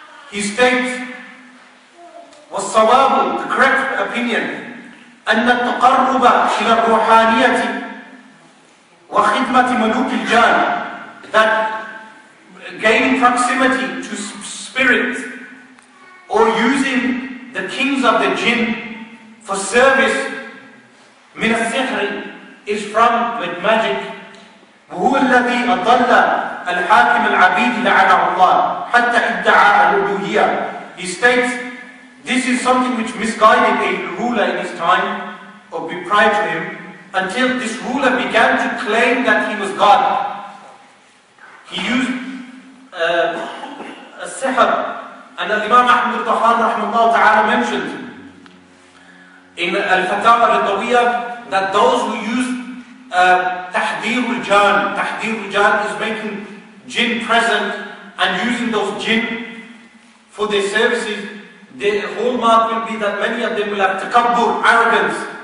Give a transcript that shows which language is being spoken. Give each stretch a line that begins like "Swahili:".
English: He states,
Arabic: والصواب,
English: the correct opinion,
Arabic: أن التقرب إلى الروحانية وخدمة ملوك الجان,
English: that gaining proximity to spirit or using the kings of the jinn for service,
Arabic: من السحر,
English: is from with magic.
Arabic: وهو الذي أضل الحاكم العبيد لعنه الله حتى ادعى الألوهية.
English: He states, this is something which misguided a ruler in his time, or be prior to him, until this ruler began to claim that he was God. He used sihr. And as Imam Ahmad al-Tahan rahmatullah ta'ala mentioned in Al-Fatawa al-Tawiyya, that those who use tahdeer al-jan is making jinn present and using those jinn for their services, the hallmark will be that many of them will have takabbur, arrogance.